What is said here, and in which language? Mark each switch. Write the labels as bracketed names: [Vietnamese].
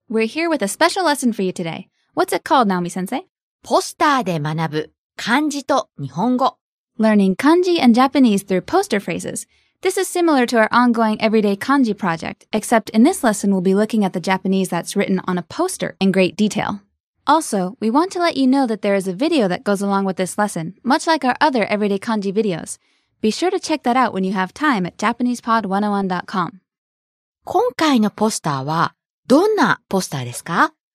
[English] We're here with a special lesson for you today. What's it called, Naomi sensei? [Japanese] ポスターで学ぶ漢字と日本語。 [English] Learning kanji and Japanese through poster phrases. This is similar to our ongoing everyday kanji project, except in this lesson we'll be looking at the Japanese that's written on a poster in great detail. Also, we want to let you know that there is a video that goes along with this lesson, much like our other everyday kanji videos. Be sure to check that out when you have time at JapanesePod101.com. [Japanese] 今回のポスターはどんなポスターですか?